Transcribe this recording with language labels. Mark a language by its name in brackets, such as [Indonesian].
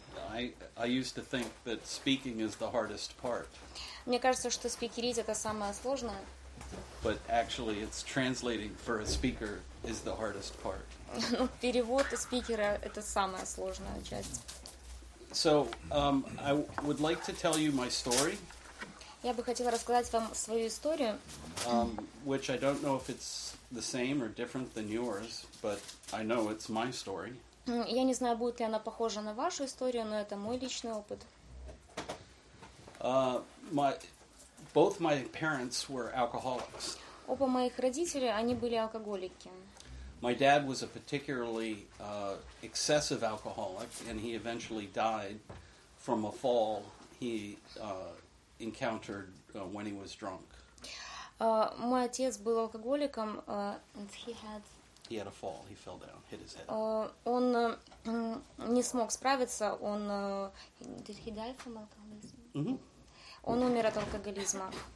[English] I used to think that speaking is the hardest part. [Russian] Мне кажется, что спикерить это самое сложное. [English] But actually, it's translating for a speaker is the hardest part. [Russian] Ну, перевод спикера это самая сложная часть. [English] So, I would like to tell you my story. [Russian] Я бы хотела рассказать вам свою историю. [English] Which I don't know if it's the same or different than yours, but I know it's my story. [Russian] Я не знаю, будет ли она похожа на вашу историю, но это мой личный опыт. [English] Both my parents were alcoholics. [Russian] Оба моих родителей, они были алкоголики. [English] My dad was a particularly excessive alcoholic, and he eventually died from a fall he encountered when he was drunk. [Russian] Мой отец был алкоголиком, [English] He had a fall. He fell down, hit his head. [Russian] Он не смог справиться. Он [English] did he die from alcoholism? Mm-hmm. [Russian] Он умер от алкоголизма.